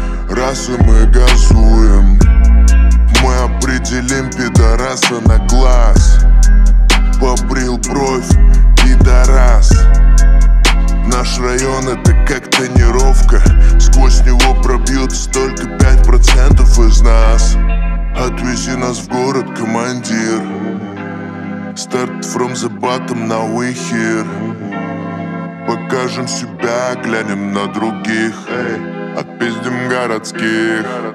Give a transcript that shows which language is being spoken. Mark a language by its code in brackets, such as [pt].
[ru] Раз и мы газуем, мы определим пидораса на глаз. Побрил бровь, пидорас. Наш район это как тренировка. Сквозь него пробьется только 5% из нас. Отвези нас в город, командир. [en] Start from the bottom, now we here. [ru] Покажем себя, глянем на других. Отпиздим городских.